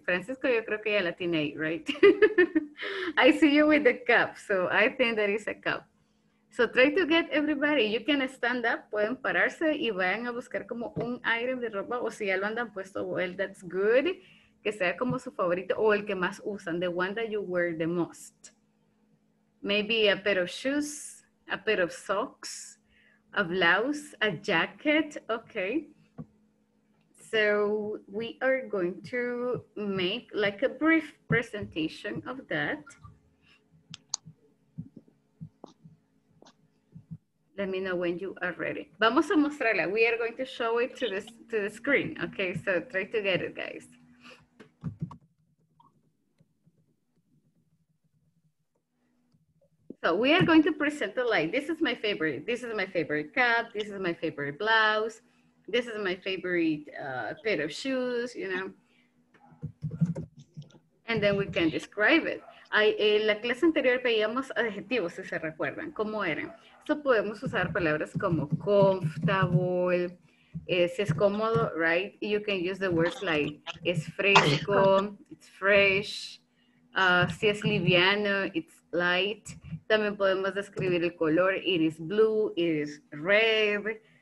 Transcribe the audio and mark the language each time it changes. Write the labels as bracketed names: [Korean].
[Spanish] Francisco, yo creo que ya la tiene ahí, [English] right? I see you with the cup, so I think that is a cup. So try to get everybody. You can stand up, [Spanish] pueden pararse y vayan a buscar como un item de ropa o si ya lo andan puesto, [English] well, that's good, [Spanish] que sea como su favorito o el que más usan, [English] the one that you wear the most. Maybe a pair of shoes, a pair of socks, a blouse, a jacket, okay. So we are going to make like a brief presentation of that. Let me know when you are ready. [Spanish] Vamos a mostrarla. [English] We are going to show it to the screen. Okay, so try to get it, guys. So we are going to present the light. This is my favorite. This is my favorite cap. This is my favorite blouse. This is my favorite pair of shoes, you know. And then we can describe it. [Spanish] En la clase anterior veíamos adjetivos, si se recuerdan, ¿cómo eran? So podemos usar palabras como comfortable, si es cómodo, right? [English] You can use the words like, [Spanish] es fresco, [English] it's fresh. [Spanish] Si es liviano, [English] it's light. [Spanish] También podemos describir el color, [English] it is blue, it is red.